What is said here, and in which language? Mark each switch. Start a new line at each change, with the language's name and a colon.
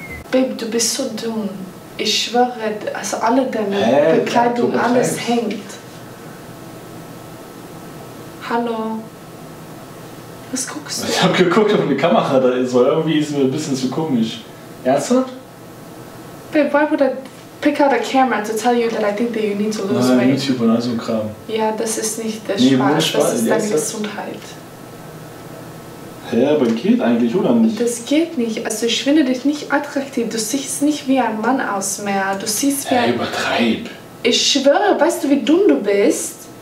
German: Babe, du bist so dumm. Ich schwöre, also alle deine Bekleidung, klar, alles hängt. Hallo? Was guckst du? Ich hab geguckt, ob eine Kamera da ist, weil irgendwie ist es mir ein bisschen zu komisch. Ernsthaft?
English: Babe, why would I... pick out a camera to tell you that I think that you need to lose weight.
German: Nein, YouTube und all so ein Kram. Ja, das ist nicht der Spaß, das ist deine Gesundheit. Hä, aber geht eigentlich, oder nicht? Das geht nicht. Also ich finde dich nicht attraktiv. Du siehst nicht wie ein Mann aus mehr. Du siehst wie ein... Hä, übertreib. Ich schwöre, weißt du, wie dumm du bist?